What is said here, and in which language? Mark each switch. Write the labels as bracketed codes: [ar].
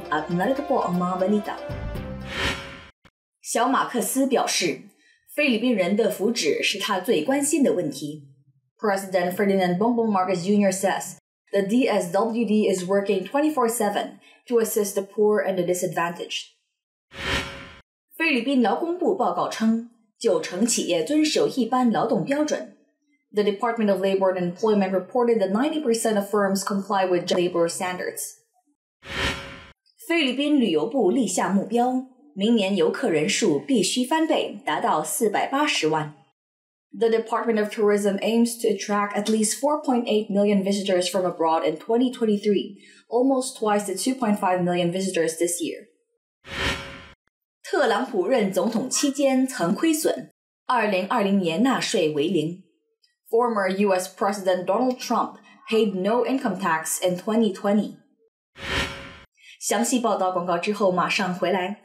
[tl] At night, po ang mga balita。 [zh] 小马克思表示，菲律宾人的福祉是他最关心的问题。 [en] President Ferdinand Bongbong Marcos Jr. says the DSWD is working 24/7 to assist the poor and the disadvantaged。 [zh] 菲律宾劳工部报告称，九成企业遵守一般劳动标准。 [en] The Department of Labor and Employment reported that 90% of firms comply with labor standards. [zh] 菲律宾旅游部立下目标，明年游客人数必须翻倍，达到480万。 [en] The Department of Tourism aims to attract at least 4.8 million visitors from abroad in 2023, almost twice the 2.5 million visitors this year. [zh] 特朗普任总统期间曾亏损，2020年纳税为零。 [en] Former U.S. President Donald Trump paid no income tax in 2020. [zh] 详细报道广告之后马上回来。